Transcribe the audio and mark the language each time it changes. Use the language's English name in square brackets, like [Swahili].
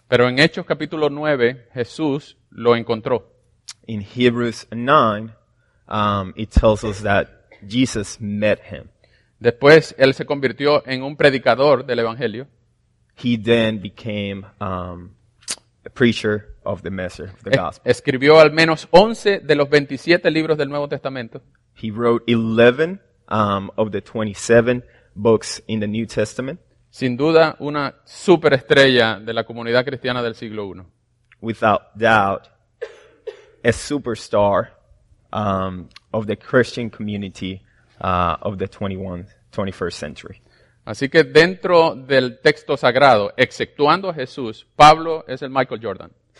[Spanish] Pero en Hechos capítulo 9, Jesús lo encontró. [English] In Hebrews 9, it tells us that Jesus met him. [Spanish] Después, él se convirtió en un predicador del evangelio. [English] He then became a preacher of the message of the gospel. [Spanish] Escribió al menos 11 de los 27 libros del Nuevo Testamento. [English] He wrote 11 of the 27 books in the New Testament. [Spanish] Sin duda, una superestrella de la comunidad cristiana del siglo I. [English] Without doubt, a superstar of the Christian community of the 21st century. [Spanish] Así que dentro del texto sagrado, exceptuando a Jesús, Pablo es el Michael Jordan.